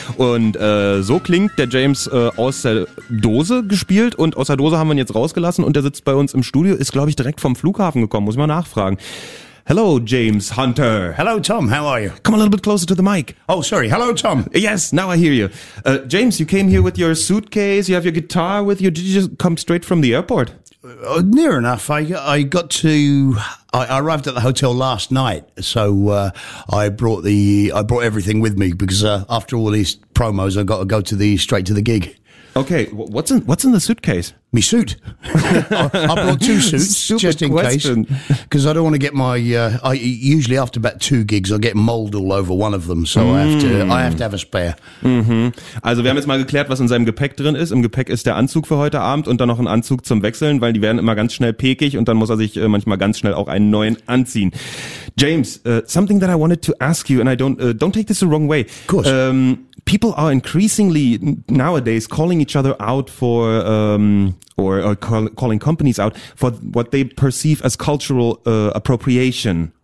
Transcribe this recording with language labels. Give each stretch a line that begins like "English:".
German: Und so klingt der James aus der Dose gespielt und aus der Dose haben wir ihn jetzt rausgelassen und der sitzt bei uns im Studio, ist glaube ich direkt vom Flughafen gekommen, muss ich mal nachfragen.
English: Hello, James Hunter. Hello, Tom. How are you? Come a little bit closer to the mic. Oh, sorry. Hello, Tom. Yes, now I hear you. James, you came here with your suitcase. You have your guitar with you. Did you just come straight from the airport? Near enough. I arrived at the hotel last night. So, I brought everything with me because, after all these promos, I've got to go to the, straight to the gig. Okay, what's in the suitcase? Me suit. I brought two suits just in case. Because I don't want to get my... usually after about two gigs, I get mold all over one of them. So I have to have a spare. Mm-hmm.
German: Also wir haben jetzt mal geklärt, was in seinem Gepäck drin ist. Im Gepäck ist der Anzug für heute Abend und dann noch ein Anzug zum Wechseln, weil die werden immer ganz schnell pekig und dann muss er sich manchmal ganz schnell auch einen neuen anziehen.
English: James, something that I wanted to ask you, and I don't take this the wrong way. Of course. People are increasingly nowadays calling each other out for, calling companies out for what they perceive as cultural appropriation.